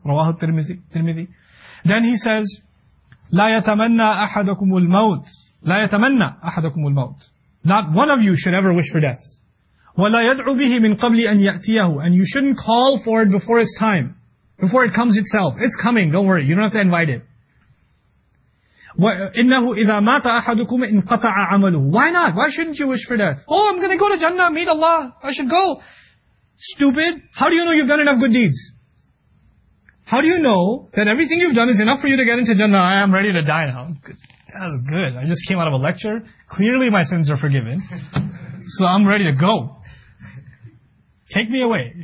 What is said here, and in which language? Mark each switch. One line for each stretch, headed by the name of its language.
Arabic: رَوَاهُ التِرْمِذِي
English: Then he says,
Arabic: لَا يَتَمَنَّ أَحَدَكُمُ الْمَوْتِ لَا يَتَمَنَّ أَحَدَكُمُ الْمَوْتِ
English: Not one of you should ever wish for death.
Arabic: وَلَا يَدْعُو بِهِ مِنْ قَبْلِ أَنْ يَأْتِيَهُ
English: And you shouldn't call for it before its time. Before it comes itself. It's coming, don't worry. You don't have to invite it.
Arabic: إِنَّهُ إِذَا مَاتَ أَحَدُكُمْ إِنْقَطَعَ عَمَلُهُ
English: Why not? Why shouldn't you wish for death? Oh, I'm going to go to Jannah, meet Allah. I should go. Stupid. How do you know you've done enough good deeds? How do you know that everything you've done is enough for you to get into Jannah? I am ready to die now. That was good. I just came out of a lecture. Clearly my sins are forgiven. So I'm ready to go. Take me away.